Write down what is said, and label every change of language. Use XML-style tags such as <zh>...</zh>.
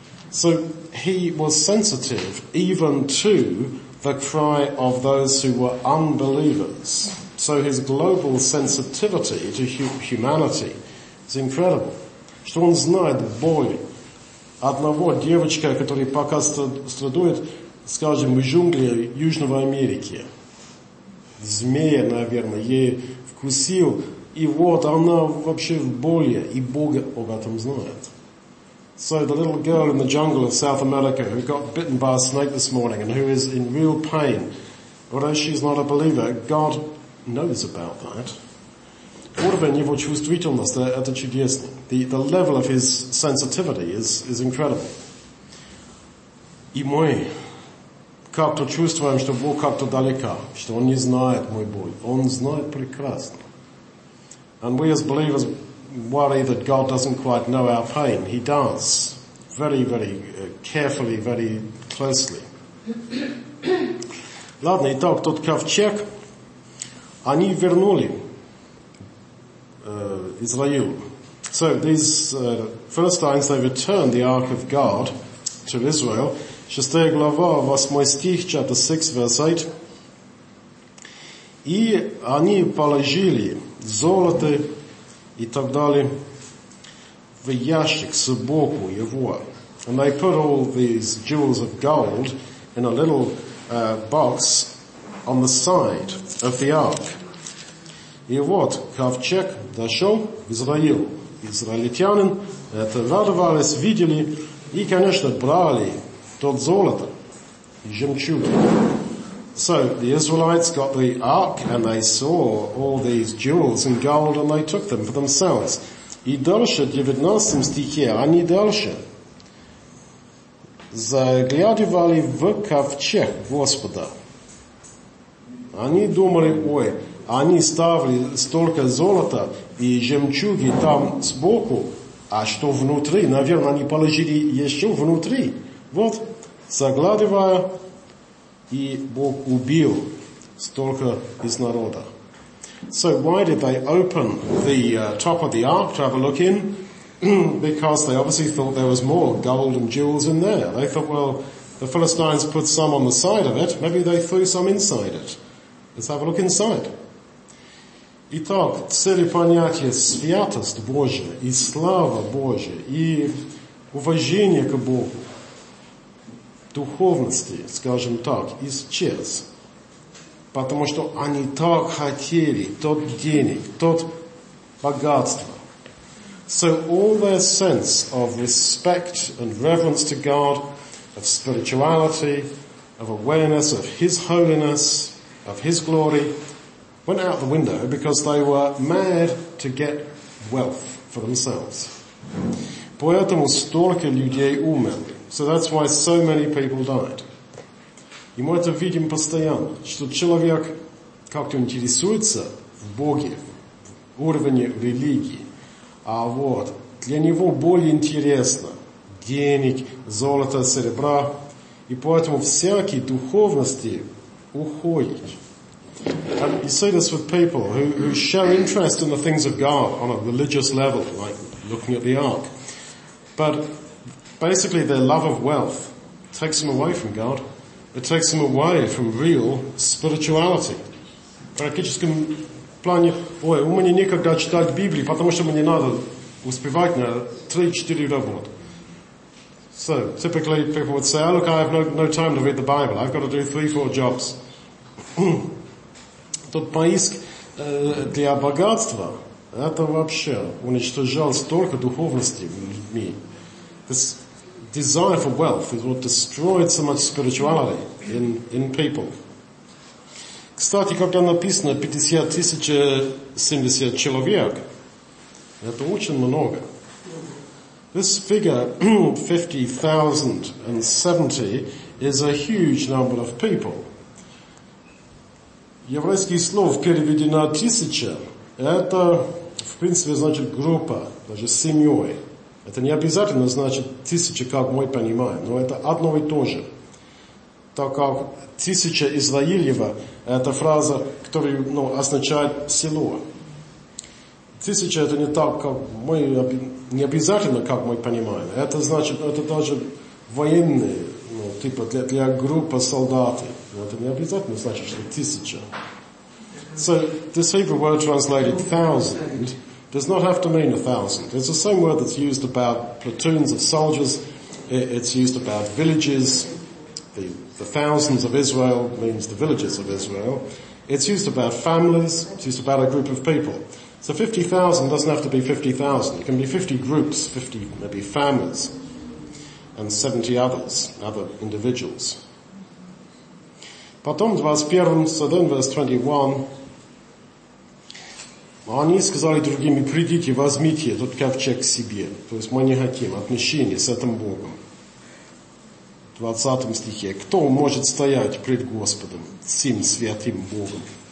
<en>So he was sensitive even to the cry of those who were unbelievers. So his global sensitivity to humanity is incredible.</en> <ru>Что он знает боль одного девочка, который пока страдает, скажем, в джунглях Южной Америки. Змея, наверное, ей вкусил. И вот она вообще в боли, и Бог об этом знает.</ru> <en>So the little girl in the jungle of South America who got bitten by a snake this morning and who is in real pain, although she's not a believer, God knows about that.</en> <ru>Уровень его чувствительности – это чудесно.</ru> <en>The level of his sensitivity is incredible.</en> <ru>И мой... как-то чувствуем, что Бог как-то далеко, что Он не знает мой боль. Он знает прекрасно.</ru> <en>And we as believers worry that God doesn't quite know our pain. He does. Very, very carefully, very closely.</en> <ru>Ладно, итак, тот ковчег, они вернули Израилу.</ru> <en>So these Philistines, they returned the Ark of God to Israel.</en> <ru>6 глава, 8 стих,</ru> <en>chapter 6, verse 8.</en> <ru>И они положили золото и так далее в ящик сбоку его.</ru> <en>And they put all these jewels of gold in a little box on the side of the ark.</en> <ru>И вот ковчег дошел в Израил. Израильтянин это радовались, видели и, конечно, брали тот золото и жемчуги.</ru> <en>So the Israelites got the ark and they saw all these jewels and gold and they took them for themselves.</en> <ru>И дальше, 19 стихе, они дальше заглядывали в ковчег Господа. Они думали, ой, они ставили столько золота и жемчуги там сбоку, а что внутри? Наверное, они положили еще внутри. Вот, заглядывая, и Бог убил столько из народа.</ru> <en>So why did they open the top of the ark to have a look in? Because they obviously thought there was more gold and jewels in there. They thought, well, the Philistines put some on the side of it. Maybe they threw some inside it. Let's have a look inside.</en> <ru>Итак, цели понятия святость Божия и слава Божия и уважение к Богу. Духовности, скажем так, исчез. Потому что они так хотели тот денег, тот богатство.</ru> <en>So all their sense of respect and reverence to God, of spirituality, of awareness of his holiness, of his glory, went out the window because they were mad to get wealth for themselves.</en> <ru>Поэтому столько людей умерли.</ru> <en>So that's why so many people died.</en> <ru>И мы это видим постоянно, что человек как-то интересуется в Боге, в уровне религии. А вот для него более интересно денег, золота, серебра. И поэтому всякие духовности уходят.</ru> <en>And you see this with people who show interest in the things of God on a religious level, like looking at the ark. But basically their love of wealth takes them away from God. It takes them away from real spirituality.</en> <ru>Практическом плане, ой, у меня некогда читать Библию, потому что мне надо успевать на 3-4 работы.</ru> <en>So, typically people would say, oh, look, I have no time to read the Bible. I've got to do 3-4 jobs.</en> <ru>Тот поиск для богатства, это вообще уничтожал столько духовности в людьми.</ru> <en>This desire for wealth is what destroyed so much spirituality in people.</en> <ru>Кстати, когда написано 50 070 человек, это очень много.</ru> <en>This figure, 50,070, is a huge number of people.</en> <ru>Еврейские слова переведено тысяча, это, в принципе, значит группа, даже семьей. Это не обязательно значит тысяча, как мы понимаем, но это одно и то же. Так как тысяча Израилева, это фраза, которая, ну, означает село. Тысяча это не так, как мы, не обязательно, как мы понимаем. Это значит, это даже военные, ну, типа для группы солдаты. Это не обязательно значит, что тысяча.</ru> <en>So, this Hebrew word translated thousand does not have to mean a thousand. It's the same word that's used about platoons of soldiers. It's used about villages. The thousands of Israel means the villages of Israel. It's used about families. It's used about a group of people. So 50,000 doesn't have to be 50,000. It can be 50 groups, 50 maybe families, and 70 others, other individuals.</en> <ru>Потом,</ru> <en>21, so then verse 21,</en> <ru>они сказали другими, придите, возьмите этот ковчег к себе. То есть мы не хотим отмещения с этим Богом. В 20 стихе, кто может стоять пред Господом, всем святым Богом?</ru>